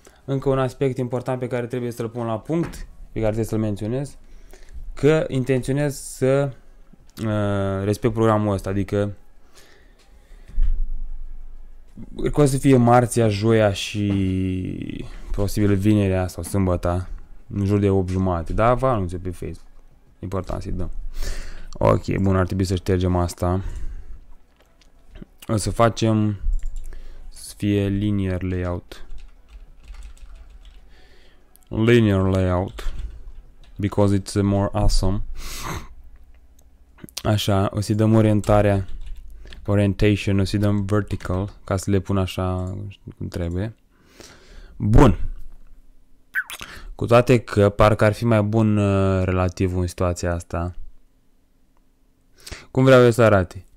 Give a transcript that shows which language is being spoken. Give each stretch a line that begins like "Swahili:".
Romanian: Încă un aspect important pe care trebuie să-l pun la punct, pe care trebuie să-l menționez, că intenționez să respect programul ăsta, adică o să fie marțea, joia și posibil vinerea sau sâmbăta, în jur de 8 jumate, dar vă anunț pe Facebook. Important să-i dăm. Ok, bun, ar trebui să ștergem asta. O să facem să fie linear layout.
English: Linear layout. Because it's more awesome.
Romanian: Așa, o să-i dăm orientarea. Orientation, o să-i dăm vertical. Ca să le pun așa cum trebuie. Bun. Cu toate că parcă ar fi mai bun relativ în situația asta. Cum vreau eu să arate?